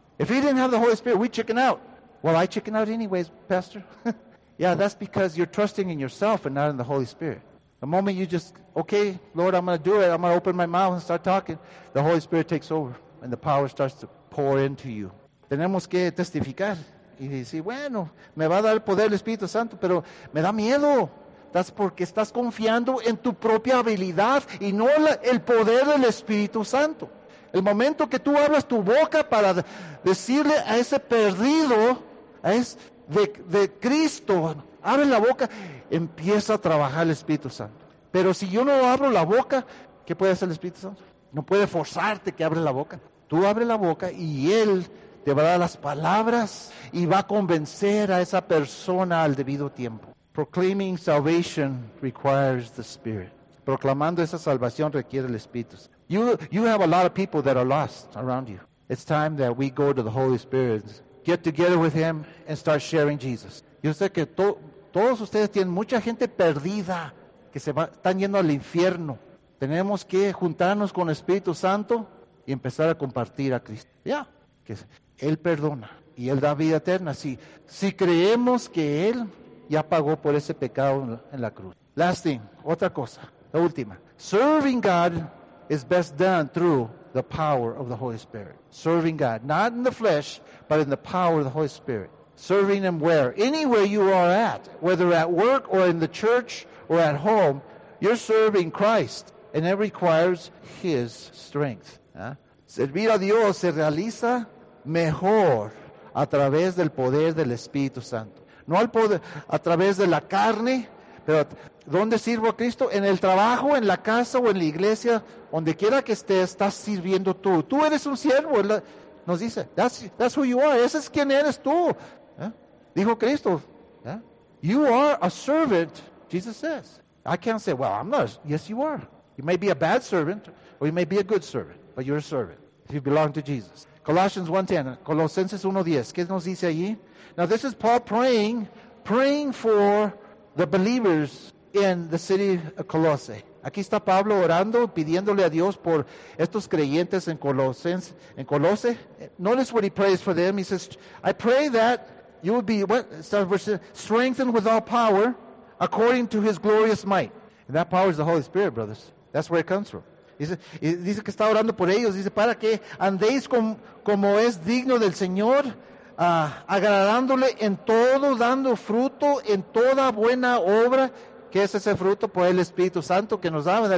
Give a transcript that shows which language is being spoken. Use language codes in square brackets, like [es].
[en] If he didn't have the Holy Spirit, we'd chicken out. Well, I chicken out anyways, Pastor. Yeah, that's because you're trusting in yourself and not in the Holy Spirit. The moment you just, okay, Lord, I'm going to do it. I'm going to open my mouth and start talking. The Holy Spirit takes over and the power starts to pour into you. [es] Tenemos que testificar. Y decir, bueno, me va a dar el poder el Espíritu Santo, pero me da miedo. [en] That's [es] porque estás confiando en tu propia habilidad y no el poder del Espíritu Santo. El momento que tú abras tu boca para decirle a ese perdido, es de Cristo, abre la boca, empieza a trabajar el Espíritu Santo. Pero si yo no abro la boca, ¿qué puede hacer el Espíritu Santo? No puede forzarte que abre la boca. Tú abre la boca y Él te va a dar las palabras y va a convencer a esa persona al debido tiempo. [en] Proclaiming salvation requires the Spirit. [es] Proclamando esa salvación requiere el Espíritu Santo. [en] You have a lot of people that are lost around you. It's time that we go to the Holy Spirit, get together with Him, and start sharing Jesus. [es] Yo sé que todos ustedes tienen mucha gente perdida que están yendo al infierno. Tenemos que juntarnos con el Espíritu Santo y empezar a compartir a Cristo. Ya, yeah. Que Él perdona y Él da vida eterna. Si creemos que Él ya pagó por ese pecado en la cruz. [en] Last thing, [es] otra cosa, la última. [en] Serving God is best done through the power of the Holy Spirit. Serving God, not in the flesh, but in the power of the Holy Spirit. Serving Him where? Anywhere you are at, whether at work or in the church or at home, you're serving Christ, and it requires His strength. ¿Eh? [es] Servir a Dios se realiza mejor a través del poder del Espíritu Santo. No al poder, a través de la carne, pero ¿dónde sirvo a Cristo? En el trabajo, en la casa o en la iglesia, donde quiera que estés, estás sirviendo tú. Tú eres un siervo, nos dice. [en] That's who you are, [es] ese es quien eres tú. Dijo Cristo, [en] yeah. You are a servant, Jesus says. I can't say, well, I'm not. Yes, you are. You may be a bad servant, or you may be a good servant, but you're a servant. You belong to Jesus. Colossians 1:10, Colosenses 1:10. [es] ¿Qué nos dice allí? [en] Now, this is Paul praying for the believers in the city of Colossae. [es] Aquí está Pablo orando, pidiéndole a Dios por estos creyentes en Colosse. [en] Notice what he prays for them. He says, I pray that you would be strengthened with all power according to His glorious might. And that power is the Holy Spirit, brothers. That's where it comes from. [es] Dice que está orando por ellos. Dice, para que andéis como es digno del Señor, agradándole en todo, dando fruto en toda buena obra. ¿Qué es ese fruto? Pues el Espíritu Santo que nos da, ¿verdad?